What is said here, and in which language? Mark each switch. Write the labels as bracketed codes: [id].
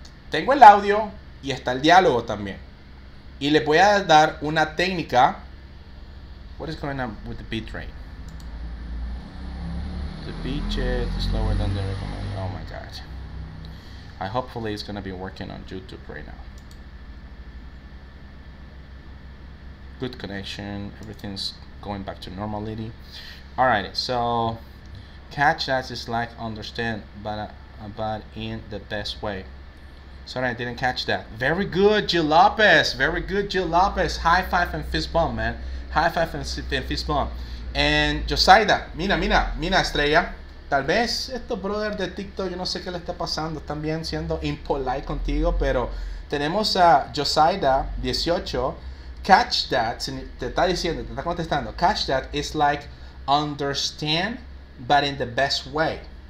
[es] Tengo el audio y está el diálogo también. Y les voy a dar una técnica. [en] What is going on with the beat train? The beat is slower than the recommended. Oh my god. I hopefully it's going to be working on YouTube right now. Good connection. Everything's going back to normality. Alrighty, so catch that is like understand, but in the best way. Sorry, I didn't catch that. Very good, Gil Lopez. Very good, Gil Lopez. High five and fist bump, man. High five and fist bump. [es] And Josaida, mina estrella. Tal vez estos brothers de TikTok, yo no sé qué le está pasando. Están bien siendo impolite contigo, pero tenemos a Josaida, 18. [en] Catch that, [es] te está diciendo, te está contestando. [en] Catch that is like understand, but in the best way.